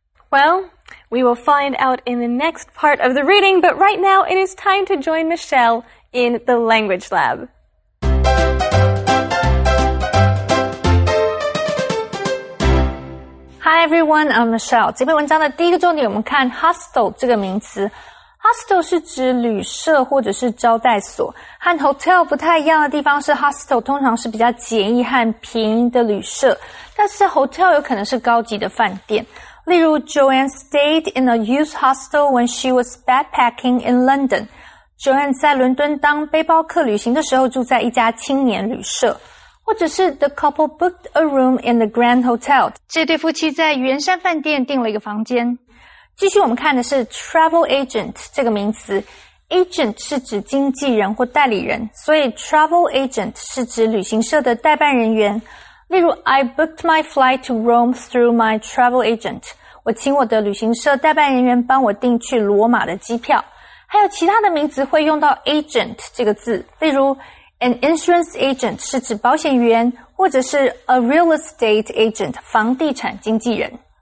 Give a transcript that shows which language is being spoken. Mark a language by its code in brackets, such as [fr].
[en] Well, we will find out in the next part of the reading, but right now it is time to join Michelle in the language lab. Hi everyone, I'm Michelle. [zh] 这篇文章的第一个重点，我们看 hostel 这个名词。Hostel 是指旅社或者是招待所，和 hotel 不太一样的地方是 hostel 通常是比较简易和便宜的旅社，但是 hotel 有可能是高级的饭店。例如 [en] Joanne stayed in a youth hostel when she was backpacking in London. [zh] Joanne 在伦敦当背包客旅行的时候住在一家青年旅社。或者是 [en] The couple booked a room in the Grand Hotel. [zh] 这对夫妻在圆山饭店订了一个房间。继续我们看的是 travel agent 这个名词 agent 是指经纪人或代理人所以 travel agent 是指旅行社的代办人员例如 [en] I booked my flight to Rome through my travel agent [zh] 我请我的旅行社代办人员帮我订去罗马的机票还有其他的名词会用到 agent 这个字例如 an insurance agent 是指保险员或者是 a real estate agent 房地产经纪人